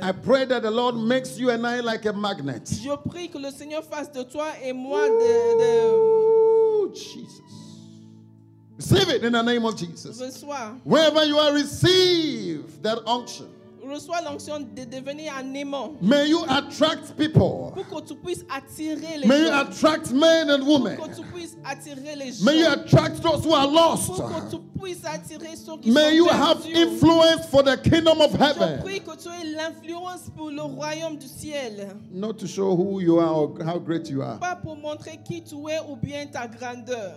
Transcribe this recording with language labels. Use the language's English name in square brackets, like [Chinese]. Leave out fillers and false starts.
[English] I pray that the Lord makes you and I like a magnet. [French] Je prie que le Seigneur fasse de toi et moi de [English] Jesus. Receive it in the name of Jesus. [French] Reçois. [English] Wherever you are, receive that unction. [French] Reçois l'onction de devenir un aimant. [English] May you attract people. [French] Pour que tu puisses attirer les [English] May You attract men and women. [French] Pour que tu puisses attirer les [English] May You attract those who are lost. [French] Pour que tu puisses attirer ceux qui [English] May [French] sont [English] you [French] perdus. [English] Have influence for the kingdom of heaven. [French] Je prie que tu aies l'influence pour le royaume du ciel. [English] Not to show who you are or how great you are. [French] Pas pour montrer qui tu es ou bien ta grandeur.